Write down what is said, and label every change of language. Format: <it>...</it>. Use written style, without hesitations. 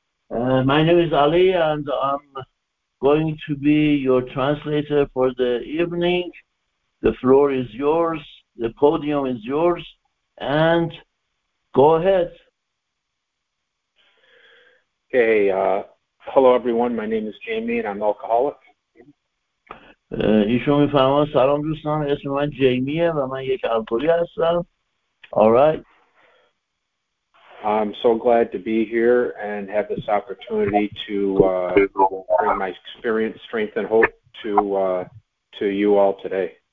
<en>My name is Ali and I'm going to be your translator for the evening. The floor is yours, the podium is yours, and go ahead. Okay, hello everyone, my name is Jamie and I'm an alcoholic.</en> <fa>ایشون می فرمان سلام دوستان، اسم من جیمیه و من یک الکلی هستم.</fa> <en>All right. I'm so glad to be here and have this opportunity to bring my experience, strength and hope to you all today.</en>